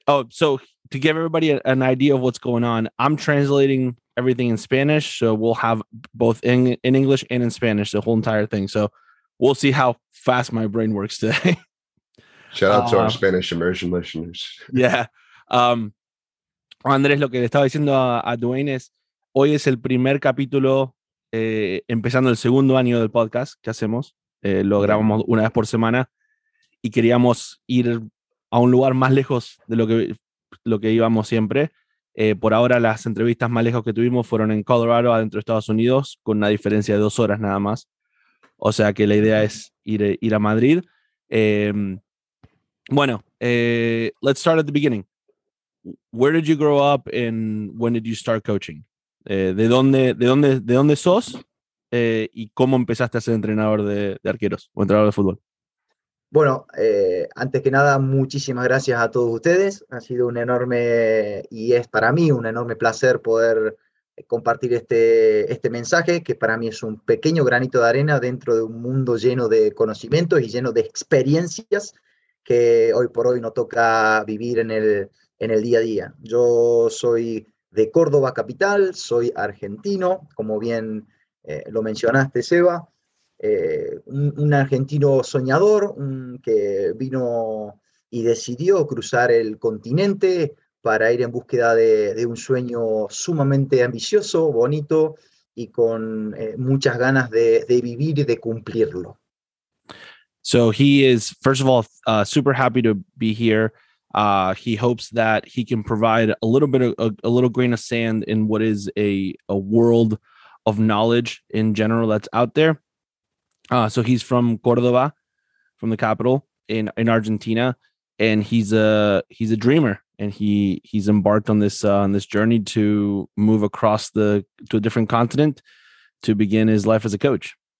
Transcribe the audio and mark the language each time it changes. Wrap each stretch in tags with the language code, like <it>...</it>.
<en>So to give everybody an idea of what's going on, I'm translating everything in Spanish. So we'll have both in English and in Spanish, the whole entire thing. So we'll see how fast my brain works today. Shout out to our Spanish immersion listeners. Yeah.</en> <es>Andres, lo que le estaba diciendo a Dwayne es, hoy es el primer capítulo, empezando el segundo año del podcast que hacemos. Lo grabamos una vez por semana y queríamos ir a un lugar más lejos de lo que lo que íbamos siempre. Por ahora, las entrevistas más lejos que tuvimos fueron en Colorado, adentro de Estados Unidos, con una diferencia de 2 horas nada más. O sea que la idea es ir a Madrid.</es> <en>Bueno, let's start at the beginning. Where did you grow up and when did you start coaching?</en> <es>¿De dónde sos y cómo empezaste a ser entrenador de arqueros o entrenador de fútbol? Bueno, antes que nada, muchísimas gracias a todos ustedes. Ha sido un enorme, y es para mí un enorme placer poder compartir este mensaje, que para mí es un pequeño granito de arena dentro de un mundo lleno de conocimientos y lleno de experiencias que hoy por hoy nos toca vivir en el día a día. Yo soy de Córdoba capital, soy argentino, como bien lo mencionaste, Seba. Un argentino soñador que vino y decidió cruzar el continente para ir en búsqueda de un sueño sumamente ambicioso, bonito y con muchas ganas de vivir y de cumplirlo.</es> <en>So he is, first of all, super happy to be here. He hopes that he can provide a little grain of sand in what is a world of knowledge in general that's out there. So he's from Córdoba, from the capital in Argentina, and he's a dreamer, and he's embarked on this journey to move across to a different continent to begin his life as a coach.</en>